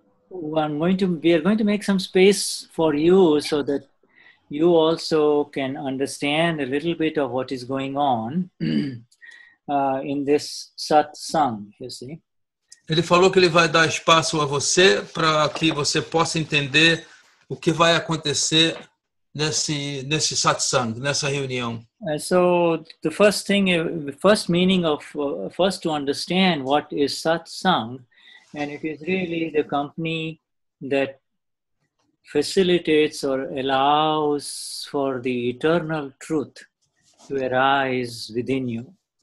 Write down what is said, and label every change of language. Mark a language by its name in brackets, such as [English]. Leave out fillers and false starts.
[English] We are going to make some space for you so that you also can understand a little bit of what is going on in this satsang, you see. [Portuguese] Ele falou que ele vai dar espaço a você para que você possa entender o que vai acontecer nesse satsang, nessa reunião. [English] So the first thing, the first meaning of first to understand what is satsang, and it is really the company that facilitates or allows for the eternal truth to arise within you.